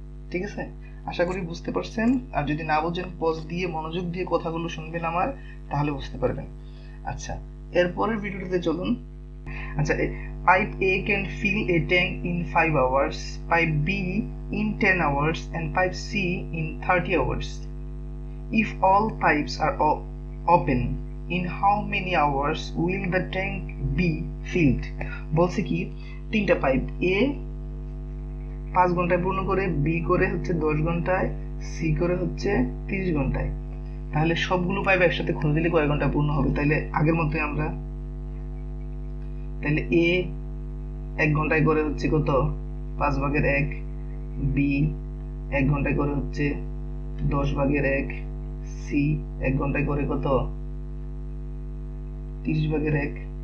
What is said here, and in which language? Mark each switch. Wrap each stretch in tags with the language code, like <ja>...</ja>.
<bn>ঠিক আছে, আশা করি বুঝতে পারছেন, আর যদি না বুঝেন পজ দিয়ে মনোযোগ দিয়ে কথাগুলো শুনবেন আমার, তাহলে বুঝতে পারবেন। আচ্ছা এরপরের ভিডিওটিতে চলুন। আচ্ছা,</bn> <en>Pipe A can fill a tank in 5 hours, pipe B in 10 hours, and pipe C in 30 hours. If all pipes are open, in how many hours will the tank be filled?</en> <bn>বলছে কি তিনটা pipe এ 5 ঘন্টায় পূর্ণ করে, B করে হচ্ছে 10 ঘন্টায়, C করে হচ্ছে 30 ঘন্টায়। তাহলে সবগুলো পাইপ একসাথে খুলে দিলে কয় ঘন্টা পূর্ণ হবে? তাহলে আগের মতই আমরা, তাহলে এ 1 ঘন্টায় করে হচ্ছে কত, 5 ভাগের 1, বি 1 ঘন্টায় করে হচ্ছে 10 ভাগের 1, সি 1 ঘন্টায় করে কত, 30 ভাগের 1।</bn>